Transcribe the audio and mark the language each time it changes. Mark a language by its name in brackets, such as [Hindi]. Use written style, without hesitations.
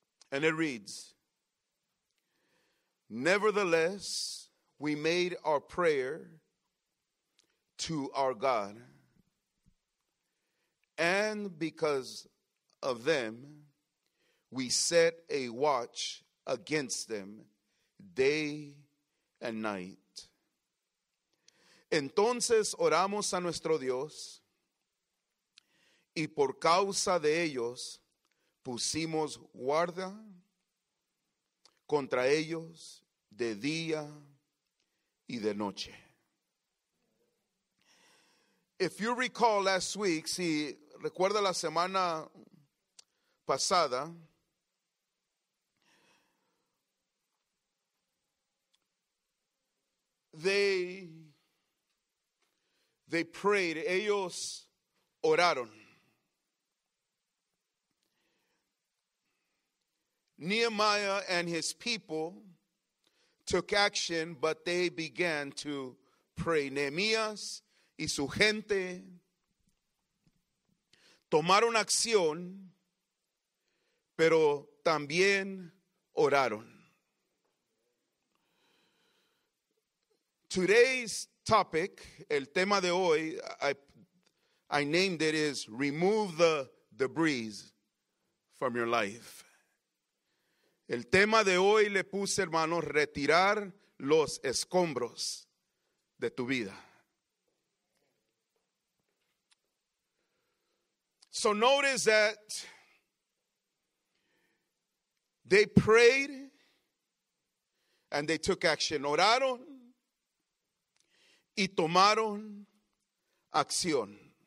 [English] And it reads, "Nevertheless, we made our prayer to our God. And because of them, we set a watch against them day and night. [Spanish] Entonces oramos a nuestro Dios, y por causa de ellos pusimos guarda contra ellos de día y de noche." [English] If you recall last week, [Spanish] si recuerda la semana pasada, [English] they prayed, [Spanish] ellos oraron. [English] Nehemiah and his people took action, but they began to pray. [Spanish] Nehemías y su gente tomaron acción, pero también oraron. [English] Today's topic, [Spanish] el tema de hoy, [English] I named it is remove the debris from your life. [Spanish] El tema de hoy le puse, hermanos, retirar los escombros de tu vida. [English] So notice that they prayed and they took action. [Spanish] Oraron y tomaron acción.